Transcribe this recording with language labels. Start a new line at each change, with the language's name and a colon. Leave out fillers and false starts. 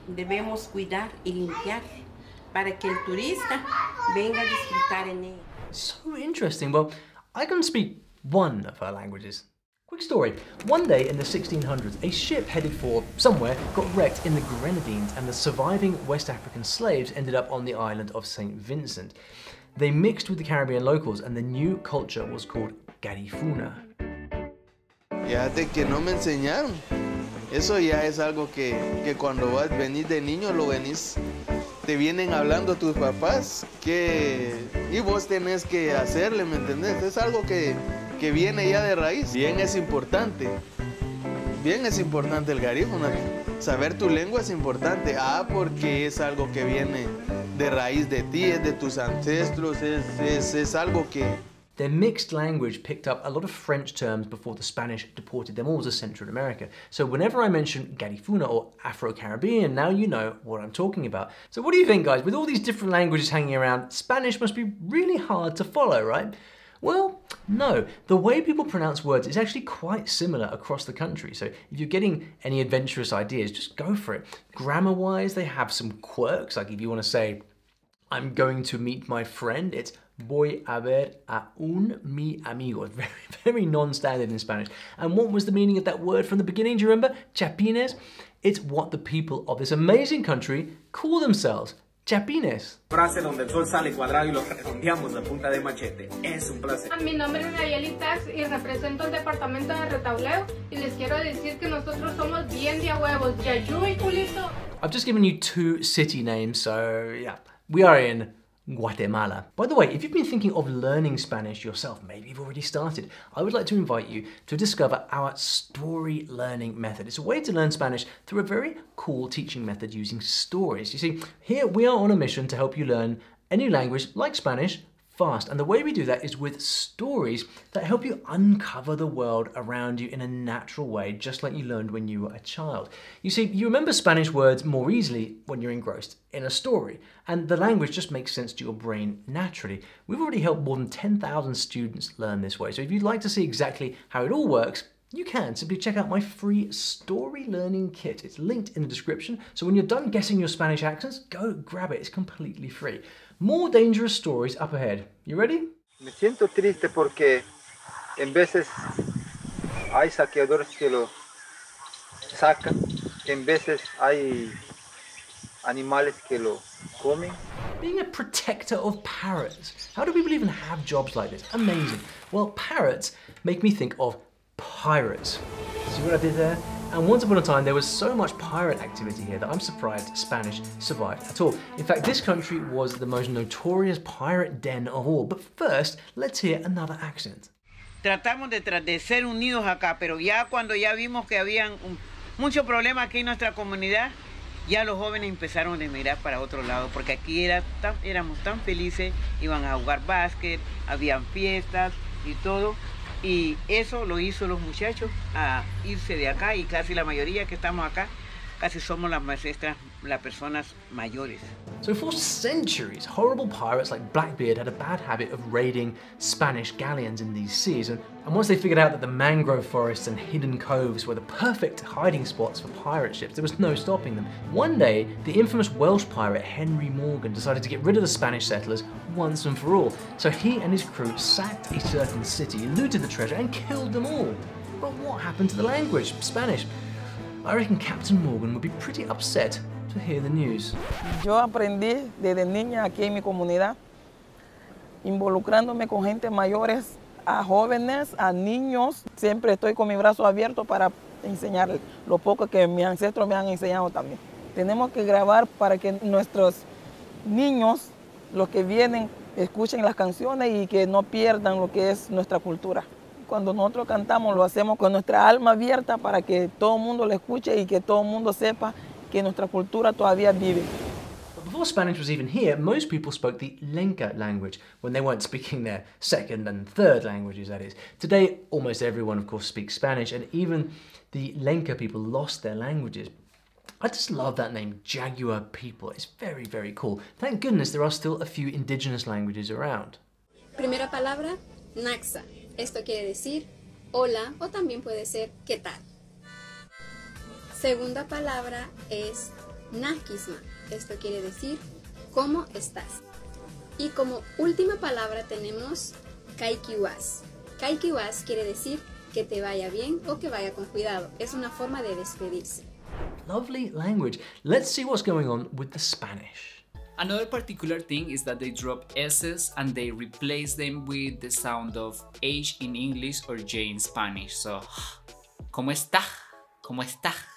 Spanish: Debemos cuidar y limpiar para que el turista venga a disfrutar en él.
English: So interesting. Well, I can speak one of her languages. Quick story. One day in the 1600s, a ship headed for somewhere got wrecked in the Grenadines, and the surviving West African slaves ended up on the island of St. Vincent. They mixed with the Caribbean locals, and the new culture was called Garifuna.
Spanish: Fíjate que no me enseñaron. Eso ya es algo que cuando vas venís de niño lo venís, te vienen hablando tus papás que y vos tenés que hacerle, ¿me entendés? Es algo que viene ya de raíz. Bien es importante. Bien es importante el garífuna. Saber tu lengua es importante. Porque es algo que viene de raíz de ti, es de tus ancestros, es algo que.
English: Their mixed language picked up a lot of French terms before the Spanish deported them all to Central America. So whenever I mention Garifuna or Afro-Caribbean, now you know what I'm talking about. So what do you think, guys? With all these different languages hanging around, Spanish must be really hard to follow, right? Well, no. The way people pronounce words is actually quite similar across the country. So if you're getting any adventurous ideas, just go for it. Grammar-wise, they have some quirks. Like if you want to say, I'm going to meet my friend, it's
Spanish: voy a ver a un mi amigo.
English: Very, very non-standard in Spanish. And what was the meaning of that word from the beginning? Do you remember? Chapines. It's what the people of this amazing country call themselves. Chapines.
Spanish: Frase donde el sol sale cuadrado y lo redondeamos a punta de machete. Es un placer. Mi nombre es Nayeli Tax y represento el departamento de retableo. Y les quiero decir que nosotros somos bien de huevos. Yayú y culito.
English: I've just given you two city names, so yeah. We are in Guatemala. By the way, if you've been thinking of learning Spanish yourself, maybe you've already started, I would like to invite you to discover our story learning method. It's a way to learn Spanish through a very cool teaching method using stories. You see, here we are on a mission to help you learn a new language like Spanish fast. And the way we do that is with stories that help you uncover the world around you in a natural way, just like you learned when you were a child. You see, you remember Spanish words more easily when you're engrossed in a story, and the language just makes sense to your brain naturally. We've already helped more than 10,000 students learn this way, so if you'd like to see exactly how it all works, you can. Simply check out my free story learning kit. It's linked in the description, so when you're done guessing your Spanish accents, go grab it. It's completely free. More dangerous stories up ahead. You ready?
Spanish: Me siento triste porque en veces hay saqueadores que lo sacan, en veces hay animales que lo comen.
English: Being a protector of parrots. How do people even have jobs like this? Amazing. Well, parrots make me think of pirates. See what I did there? And once upon a time, there was so much pirate activity here that I'm surprised Spanish survived at all. In fact, this country was the most notorious pirate den of all. But first, let's hear another accent.
Spanish: Tratamos de ser unidos acá, pero ya cuando ya vimos que había muchos problemas aquí en nuestra comunidad, ya los jóvenes empezaron a mirar para otro lado, porque aquí éramos tan felices, iban a jugar básquet, habían fiestas y todo. Y eso lo hizo los muchachos a irse de acá y casi la mayoría que estamos acá, casi somos las maestras las personas mayores.
English: So for centuries, horrible pirates like Blackbeard had a bad habit of raiding Spanish galleons in these seas. And once they figured out that the mangrove forests and hidden coves were the perfect hiding spots for pirate ships, there was no stopping them. One day, the infamous Welsh pirate Henry Morgan decided to get rid of the Spanish settlers once and for all. So he and his crew sacked a certain city, looted the treasure, and killed them all. But what happened to the language, Spanish? I reckon Captain Morgan would be pretty upset to hear the news.
Spanish: Yo aprendí desde niña aquí en mi comunidad, involucrándome con gente mayores, a jóvenes, a niños. Siempre estoy con mi brazo abierto para enseñarles lo poco que mis ancestros me han enseñado también. Tenemos que grabar para que nuestros niños, los que vienen, escuchen las canciones y que no pierdan lo que es nuestra cultura. Cuando nosotros cantamos, lo hacemos con nuestra alma abierta para que todo el mundo lo escuche y que todo el mundo sepa que nuestra cultura todavía vive.
English: Before Spanish was even here, most people spoke the Lenca language, when they weren't speaking their second and third languages, that is. Today, almost everyone, of course, speaks Spanish, and even the Lenca people lost their languages. I just love that name, Jaguar people. It's very, very cool. Thank goodness there are still a few indigenous languages around.
Spanish: Primera palabra, Naxa. Esto quiere decir hola, o también puede ser qué tal. Segunda palabra es Nazquisma. Esto quiere decir cómo estás. Y como última palabra tenemos Kaikiwas. Kaikiwas quiere decir que te vaya bien o que vaya con cuidado. Es una forma de despedirse.
English: Lovely language. Let's see what's going on with the Spanish. Another particular thing is that they drop S's and they replace them with the sound of H in English or J in Spanish.
Spanish: So, ¿cómo está? ¿Cómo está?